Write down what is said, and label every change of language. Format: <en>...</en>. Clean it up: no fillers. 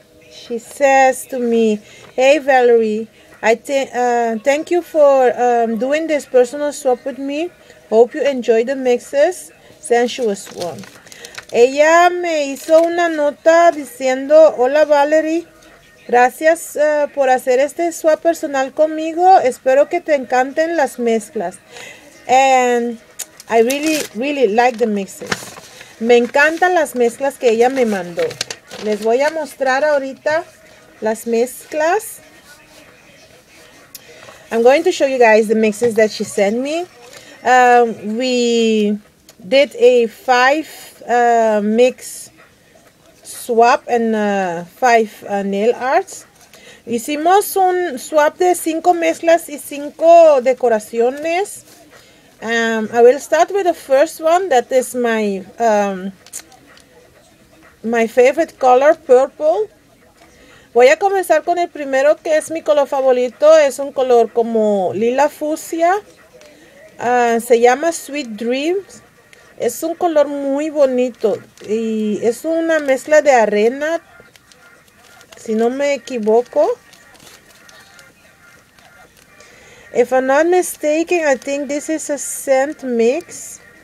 <en>She says to me, "Hey Valerie, thank you for doing this personal swap with me. Hope you enjoy the mixes. Sensuous One."</en> <es>Ella me hizo una nota diciendo, "Hola Valerie, gracias por hacer este swap personal conmigo. Espero que te encanten las mezclas."</es> <en>And I really, really like the mixes.</en> <es>Me encantan las mezclas que ella me mandó. Les voy a mostrar ahorita las mezclas.</es> <en>I'm going to show you guys the mixes that she sent me. We did a five mix swap and five nail arts.</en> <es>Hicimos un swap de cinco mezclas y cinco decoraciones.</es> <en>I will start with the first one, that is my my favorite color, purple.</en> <es>Voy a comenzar con el primero, que es mi color favorito. Es un color como lila fucsia. Se llama Sweet Dreams. Es un color muy bonito y es una mezcla de arena, si no me equivoco.</es> <en>If I'm not mistaken, I think this is a scent mix.</en>